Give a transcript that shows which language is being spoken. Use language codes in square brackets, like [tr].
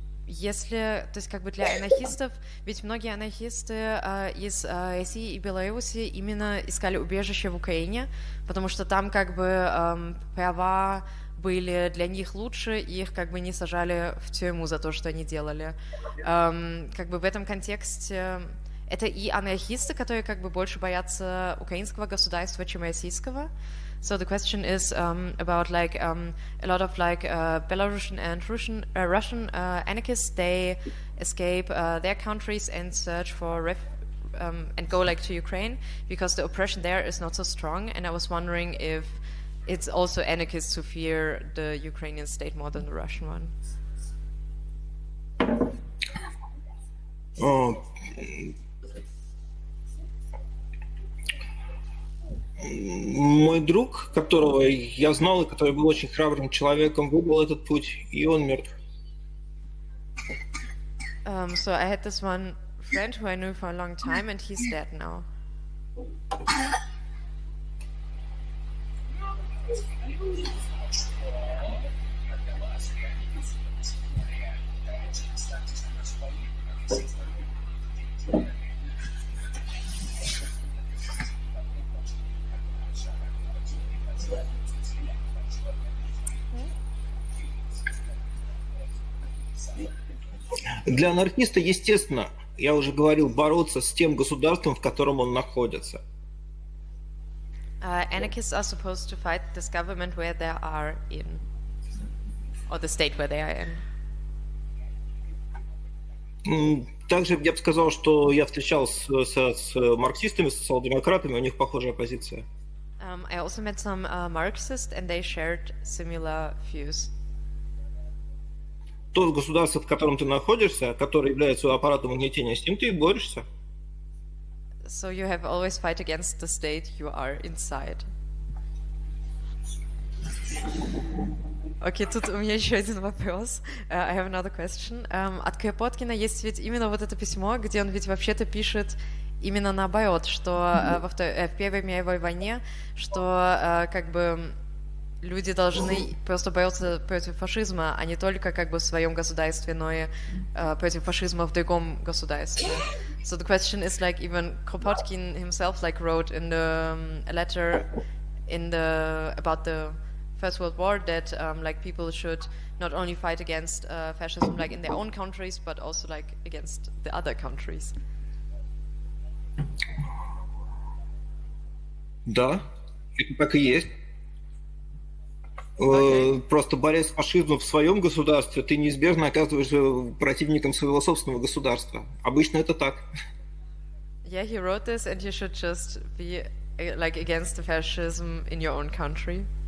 [ru] Если, то есть как бы для анархистов, ведь многие анархисты из России и Беларуси именно искали убежище в Украине, потому что там как бы права были для них лучше, и их как бы не сажали в тюрьму за то, что они делали. Как бы в этом контексте это и анархисты, которые как бы больше боятся украинского государства, чем российского. [en] So the question is about like a lot of like Belarusian and Russian anarchists. They escape their countries and search for and go like to Ukraine because the oppression there is not so strong. And I was wondering if it's also anarchists who fear the Ukrainian state more than the Russian one. [ru] Мой друг, которого я знал и который был очень храбрым человеком, выбрал этот путь, и он мертв. [en] So I had this one friend who I knew for a long time, and he's dead now. Thank you. [ru] Для анархиста, естественно, я уже говорил, бороться с тем государством, в котором он находится. [en] Anarchists are supposed to fight this government where they are in, or the state where they are in. [ru] Также я бы сказал, что я встречался с марксистами, с социал-демократами, у них похожая позиция. [en] I also met some Marxists, and they shared similar views. [ru] То государство, в котором ты находишься, которое является аппаратом угнетения, с ним ты и борешься. [en] So you have always fight against the state you are inside. [ru] Okay, тут у меня еще один вопрос. [en] I have another question. [ru] От Кропоткина есть ведь именно вот это письмо, где он ведь вообще-то пишет именно наоборот, что в Первой мировой войне, что как бы люди должны просто бороться против фашизма, а не только как бы в своем государстве, но и против фашизма в другом государстве. [en] So the question is like even Kropotkin himself like wrote in the a letter in the about the First World War that like people should not only fight against fascism like in their own countries but also like against the other countries. [ru] Да, это так и есть. Просто борясь с фашизмом в своем государстве, ты неизбежно оказываешься противником своего собственного государства. Обычно это так. [en] Yeah, he wrote this, and you should just be like against the fascism in your own country.